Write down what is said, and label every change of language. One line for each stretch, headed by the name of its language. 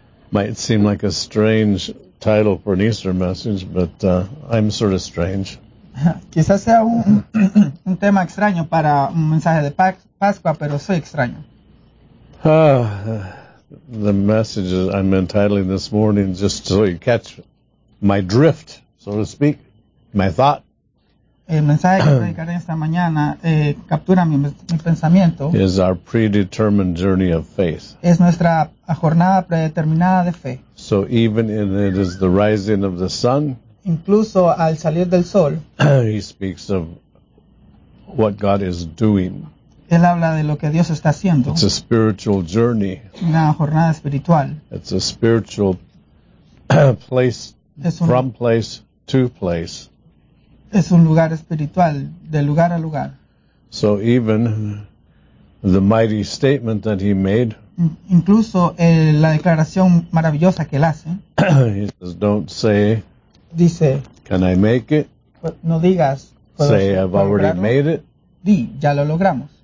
English: Might seem like a strange title for an Easter message, but I'm sort of strange.
Spanish: Quizás sea un tema extraño para un mensaje de Pascua, pero soy extraño.
English: The message I'm entitling this morning, just so you catch my drift, so to speak, my thought.
Spanish: El mensaje que predicaré esta mañana captura mi pensamiento.
English: Is our predetermined journey of faith.
Spanish: Es nuestra jornada predeterminada de fe.
English: So even in it is the rising of the sun.
Spanish: Incluso al salir del sol.
English: He speaks of what God is doing.
Spanish: Él habla de lo que Dios está haciendo.
English: It's a spiritual journey.
Spanish: Una jornada espiritual.
English: It's a spiritual place, from place to place.
Spanish: Es un lugar espiritual, de lugar a lugar.
English: So even the mighty statement that he made.
Spanish: Incluso la declaración maravillosa que él hace.
English: He says, don't say,
Spanish: dice,
English: can I make it?
Spanish: No digas, ¿puedo
English: say, I've
Spanish: lograrlo?
English: Already made it.
Spanish: Di, ya lo logramos.